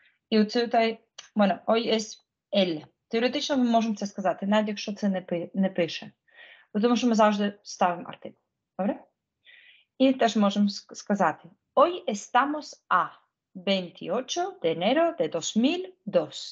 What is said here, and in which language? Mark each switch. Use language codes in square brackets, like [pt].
[uk] І оце, [es] hoy es el. [uk] Теоретично ми можемо це сказати, навіть якщо це не пише. Тому що ми завжди ставимо артикул. Добре? І теж можемо сказати. [es] Hoy estamos a 28 de enero de 2002.